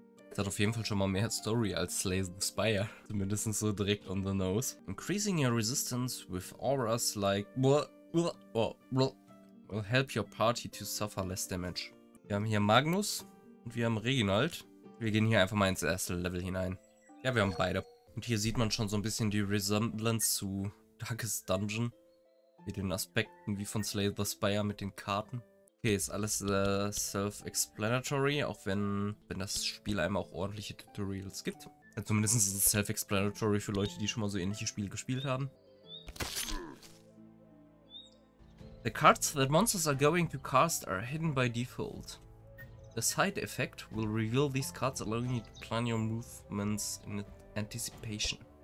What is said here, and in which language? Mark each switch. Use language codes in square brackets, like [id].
[de] Das hat auf jeden Fall schon mal mehr Story als Slay the Spire. Zumindest so direkt [en] on the nose. Increasing your resistance with auras like will help your party to suffer less damage. [de] Wir haben hier Magnus und wir haben Reginald. Wir gehen hier einfach mal ins erste Level hinein. Ja, wir haben beide. Und hier sieht man schon so ein bisschen die Resemblance zu Darkest Dungeon. Mit den Aspekten wie von Slay the Spire mit den Karten. Okay, ist alles self-explanatory, auch wenn das Spiel einem auch ordentliche Tutorials gibt. Ja, zumindest ist es self-explanatory für Leute, die schon mal so ähnliche Spiele gespielt haben. [en] The cards that monsters are going to cast are hidden by default. A side effect will reveal these cards, allowing you to plan your movements in anticipation.